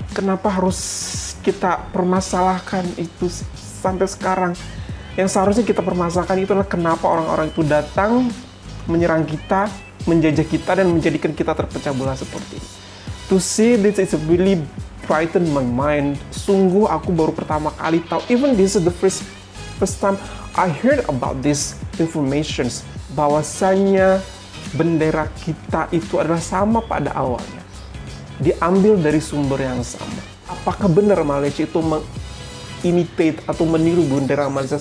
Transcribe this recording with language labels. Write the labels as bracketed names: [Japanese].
[Indonesian] Kenapa harus kita permasalahkan itu sampai sekarang? Yang seharusnya kita permasalahkan itu adalah kenapa orang-orang itu datang menyerang kita, menjajah kita, dan menjadikan kita terpecah belah seperti ini. [English] To see this is really frightened my mind. [Indonesian] Sungguh aku baru pertama kali tahu, [English] even this is the first time I heard about this information, [Indonesian] bahwasanya bendera kita itu adalah sama pada awalnya, diambil dari sumber yang sama. Apakah benar Malaysia itu imitate atau meniru bendera Malaysia?